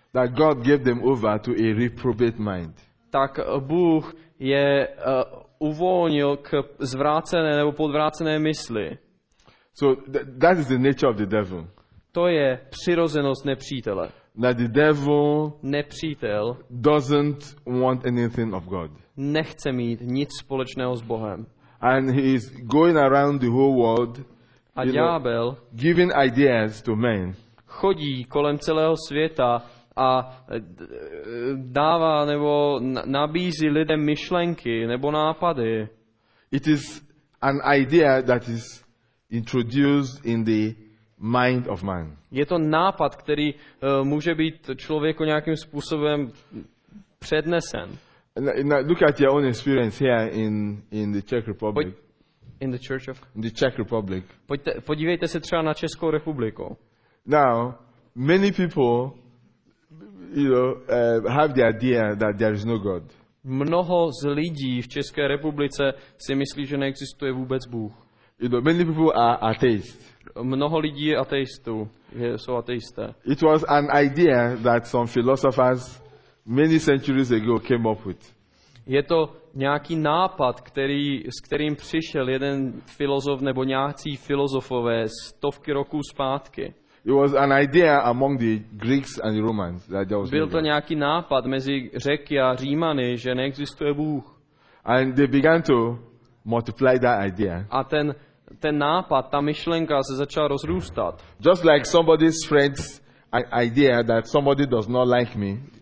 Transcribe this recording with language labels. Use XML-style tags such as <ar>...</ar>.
<en>that God gave them over to a reprobate mind.</en> <cs>Tak Bůh je uvolnil k zvrácené nebo podvrácené mysli.</cs> <en>So that is the nature of the devil.</en> <cs>To je přirozenost nepřítele.</cs> <en>That the devil</en> <cs>nepřítel</cs> <en>doesn't want anything of God.</en> <cs>Nechce mít nic společného s Bohem.</cs> <en>And he is going around the whole world.</en> <cs>A ďábel</cs> <en>giving ideas to men.</en> <cs>Chodí kolem celého světa a dává nebo nabízí lidem myšlenky nebo nápady.</cs> <en>It is an idea that is introduced in the mind of man.</en> <cs>Je to nápad, který může být člověku nějakým způsobem přednesen.</cs> <en>Look at your own experience here in the Czech Republic. In the Church of the Czech Republic.</en> <cs>Podívejte se třeba na Českou republiku.</cs> <en>Now, many people, you know, have the idea that there is no God.</en> <cs>Mnoho z lidí v České republice si myslí, že neexistuje vůbec Bůh.</cs> <en>You know, many people are atheists.</en> <cs>Mnoho lidí je ateistů, jsou ateisté.</cs> <en>It was an idea that some philosophers many centuries ago came up with.</en> <cs>Je to nějaký nápad, s kterým přišel jeden filozof nebo nějací filozofové stovky roků zpátky.</cs> <en>It was an idea among the Greeks and the Romans that there was.</en> <cs>Byl to nějaký nápad mezi Řeky a Římany, že neexistuje Bůh.</cs> <en>And they began to multiply that idea.</en> <cs>A ten nápad, ta myšlenka se začala rozrůstat.</cs> <en>Just like somebody's friend's idea that somebody does not like me.</en>